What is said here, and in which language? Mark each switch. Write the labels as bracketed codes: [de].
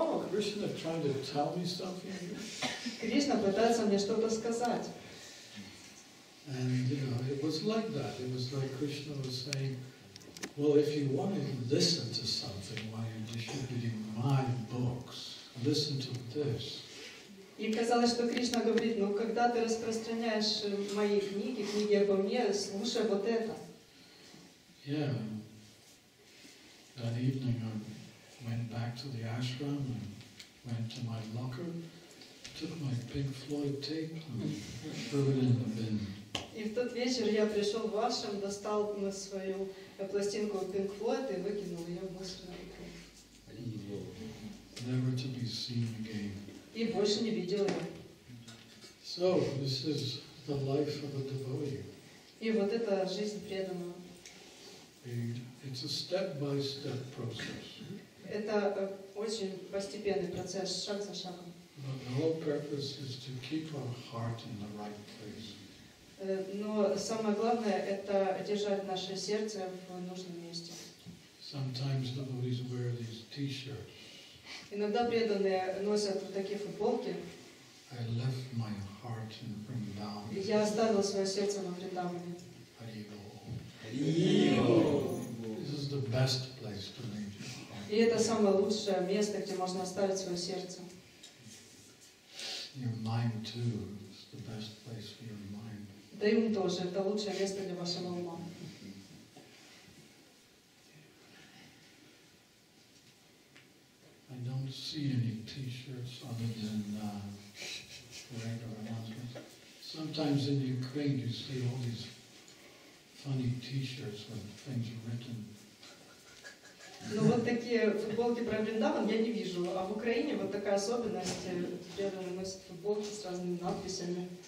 [en] Krishna trying to tell me something. [ru] Кришна пытается мне что-то сказать. [en] And you know, it was like that. It was like Krishna was saying, well, if you want to listen to something while you're distributing my books, listen to this. [ru] И казалось, что Кришна говорит, ну когда ты распространяешь мои книги, книги обо мне, слушай вот это. [en] Yeah. That evening I went back to the ashram and went to my locker. Took my Pink Floyd tape and threw it in the bin. [ru] И в тот вечер я пришел в ашрам, достал на свою пластинку Pink Floyd и выкинул ее в мусорную. [en] Never to be seen again. [ru] И больше не видел ее. [en] So this is the life of a devotee. [ru] И вот это жизнь преданного. [en] It's a step-by-step process. [ru] Это очень постепенный процесс, шаг за шагом. [en] But the whole purpose is to keep our heart in the right place. [ru] Но самое главное это держать наше сердце в нужном месте. [en] Sometimes devotees wear these t-shirts. [ru] Иногда преданные носят вот такие футболки. [en] I left my heart in Vrindavan. [ru] Я оставил свое сердце на Вриндаване. [en] Haribo. [ru] Haribo. [en] This is the best place to leave. [ru] И это самое лучшее место, где можно оставить свое сердце. [en] Your mind too is the best place for your mind. [ru] Да и ум тоже, это лучшее место для вашего ума. [en] see any t-shirts other than regular announcements. Sometimes in Ukraine you see all these funny t-shirts with things written. [uk] Ну вот такі футболки про Вріндаван [ru] я не вижу, [uk] а в Україні вот така особенность, я думаю, носить футболки з різними надписями.